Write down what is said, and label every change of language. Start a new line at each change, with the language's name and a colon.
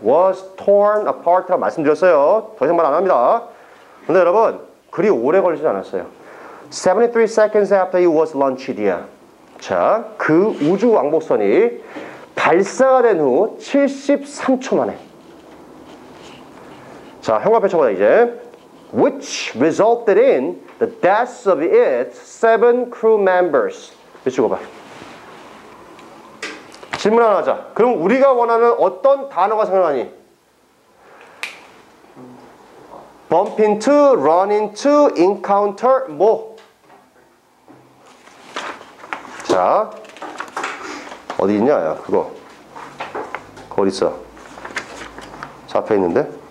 English: was torn apart
Korean: 라고 말씀드렸어요. 더 이상 말 안 합니다. 근데 여러분, 그리 오래 걸리진 않았어요.
English: 73 seconds after it was launched.
Korean: 자, 그 우주 왕복선이 발사가 된 후 73초 만에. 자, 형과 펼쳐보자 이제.
English: Which resulted in the deaths of its seven crew members.
Korean: 비추고봐. 질문 하나 하자. 그럼 우리가 원하는 어떤 단어가 생각나니?
English: Bump into, run into, encounter, 뭐?
Korean: 자, 어디 있냐, 야, 그거. 그거 어디 있어? 잡혀 있는데?